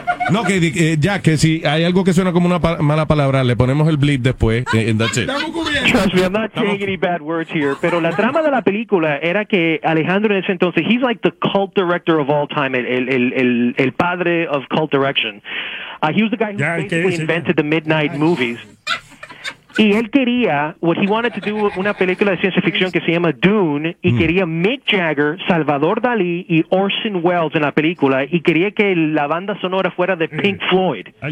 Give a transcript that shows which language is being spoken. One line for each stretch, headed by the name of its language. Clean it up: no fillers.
Spanish: No, que Jack, que si hay algo que suena como una mala palabra, le ponemos el bleep después.
English: And that's it. Trust me, I'm not saying any bad words here.
Spanish: Pero la trama de la película era que Alejandro en ese entonces,
English: he's like the cult director of all time,
Spanish: el padre
English: of cult direction. He was the guy who invented the midnight movies.
Spanish: Y él quería,
English: what he wanted to do,
Spanish: una película de ciencia ficción que se llama Dune, y quería Mick Jagger, Salvador Dalí y Orson Welles en la película, y quería que la banda sonora fuera de Pink Floyd.